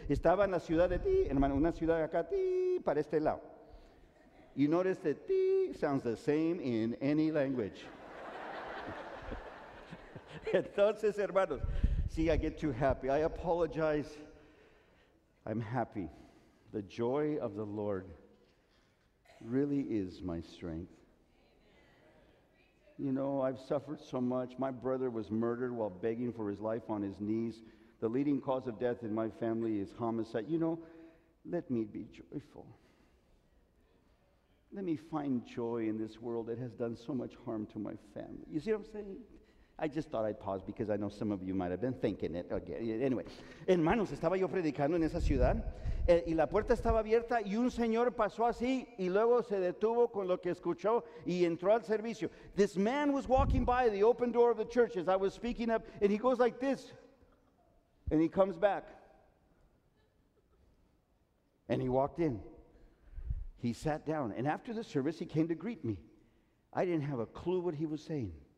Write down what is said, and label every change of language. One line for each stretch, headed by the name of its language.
Spanish: Estaba en la ciudad de D, hermano, una ciudad acá, D, para este lado.
English: You notice that D sounds the same in any language. Entonces, hermanos, see, I get too happy. I apologize. I'm happy. The joy of the Lord really is my strength. You know, I've suffered so much. My brother was murdered while begging for his life on his knees. The leading cause of death in my family is homicide. You know, let me be joyful. Let me find joy in this world that has done so much harm to my family. You see what I'm saying? I just thought I'd pause because I know some of you might have been thinking it. Okay.
Spanish: Anyway, hermanos, estaba yo predicando en esa ciudad y la puerta estaba abierta y un señor pasó así y luego se detuvo con lo que escuchó y entró al servicio.
English: This man was walking by the open door of the church as I was speaking up, and he goes like this, and he comes back, and he walked in. He sat down, and after the service, he came to greet me. I didn't have a clue what he was saying.